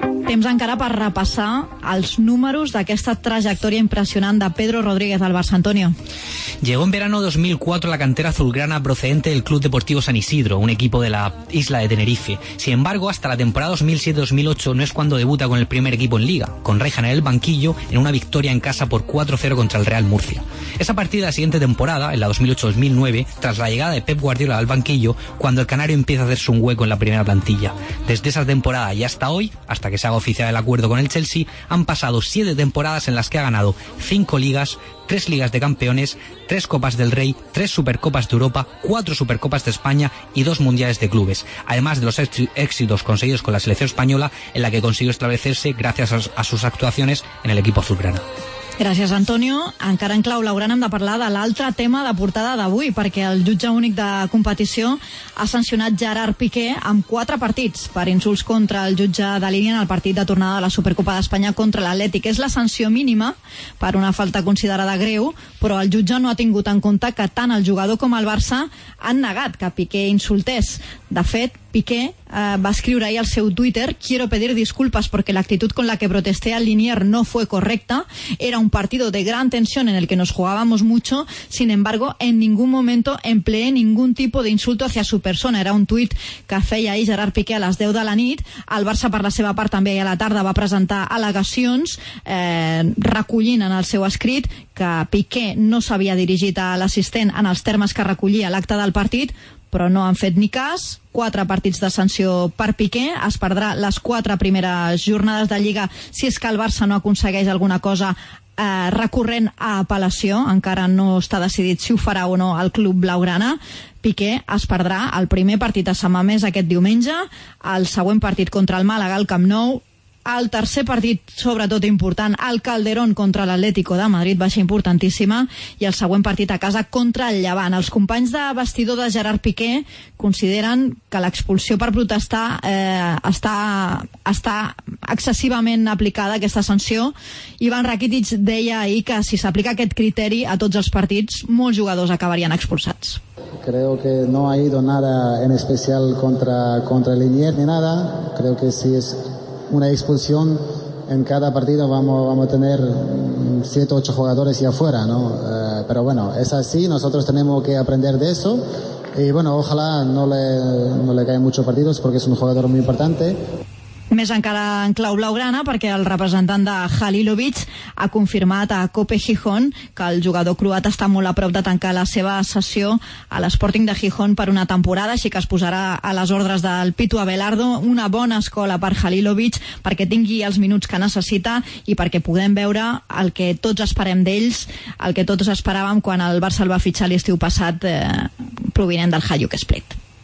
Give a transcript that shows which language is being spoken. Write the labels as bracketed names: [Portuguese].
[Catalan] Temps encara per repassar els números d'aquesta trajectòria impressionant de Pedro Rodríguez al Barça, Antonio. [Spanish] Llegó en verano 2004 a la cantera azulgrana procedente del Club Deportivo San Isidro, un equipo de la isla de Tenerife. Sin embargo, hasta la temporada 2007-2008 no es cuando debuta con el primer equipo en Liga, con Reijan en el banquillo en una victoria en casa por 4-0 contra el Real Murcia. Es a partir de la siguiente temporada, en la 2008-2009, tras la llegada de Pep Guardiola al banquillo, cuando el canario empieza a hacerse un hueco en la primera plantilla. Desde esa temporada y hasta hoy, hasta que se haga oficial el acuerdo con el Chelsea, han pasado 7 temporadas en las que ha ganado 5 ligas, 3 ligas de campeones, 3 copas del Rey, 3 supercopas de Europa, 4 supercopas de España y 2 mundiales de clubes, además de los éxitos conseguidos con la selección española, en la que consiguió establecerse gracias a sus actuaciones en el equipo azulgrana. [Catalan] Gràcies, Antonio. Encara en clau, l'hauran de parlar de l'altre tema de portada d'avui, perquè el jutge únic de competició ha sancionat Gerard Piqué amb 4 partits per insults contra el jutge de línia en el partit de tornada de la Supercopa d'Espanya contra l'Atlètic. És la sanció mínima per una falta considerada greu, però el jutge no ha tingut en compte que tant el jugador com el Barça han negat que Piqué insultés. De fet, Piqué va escriure ahir al seu Twitter: [Spanish] "Quiero pedir disculpas porque la actitud con la que protesté al Linier no fue correcta. Era un partido de gran tensión en el que nos jugábamos mucho. Sin embargo, en ningún momento empleé ningún tipo de insulto hacia su persona". [Catalan] Era un tuit que feia ahir Gerard Piqué a les 10 de la nit. El Barça, per la seva part, també ahir a la tarda va presentar al·legacions recollint en el seu escrit que Piqué no s'havia dirigit a l'assistent en els termes que recollia l'acte del partit, però no han fet ni cas. 4 partits de sanció per Piqué, es perdrà les 4 primeres jornades de Lliga si és que el Barça no aconsegueix alguna cosa recurrent a apel·lació. Encara no està decidit si ho farà o no el club blaugrana. Piqué es perdrà el primer partit a Sant Mamés aquest diumenge, el següent partit contra el Màlaga al Camp Nou, el tercer partit, sobretot important, el Calderón contra l'Atlético de Madrid, baixa importantíssima, i el següent partit a casa contra el Llevant. Els companys de vestidor de Gerard Piqué consideren que l'expulsió per protestar està excessivament aplicada, aquesta sanció. Ivan Rakitic deia ahir que si s'aplica aquest criteri a tots els partits, molts jugadors acabarien expulsats. [Spanish] Creo que no ha ido nada en especial contra Linier ni nada. Creo que sí es una expulsión en cada partido, vamos a tener 7 u 8 jugadores y afuera, ¿no? Pero bueno, es así, nosotros tenemos que aprender de eso. Y bueno, ojalá no le caigan muchos partidos porque es un jugador muy importante. [Catalan] Més encara en clau blaugrana, perquè el representant de Halilovic ha confirmat a Cope Gijón que el jugador croat està molt a prop de tancar la seva cessió a l'Sporting de Gijón per una temporada, així que es posarà a les ordres del Pitu Abelardo. Una bona escola per Halilovic, perquè tingui els minuts que necessita i perquè puguem veure el que tots esperem d'ells, el que tots esperàvem quan el Barça el va fitxar l'estiu passat provinent del Hajduk Split.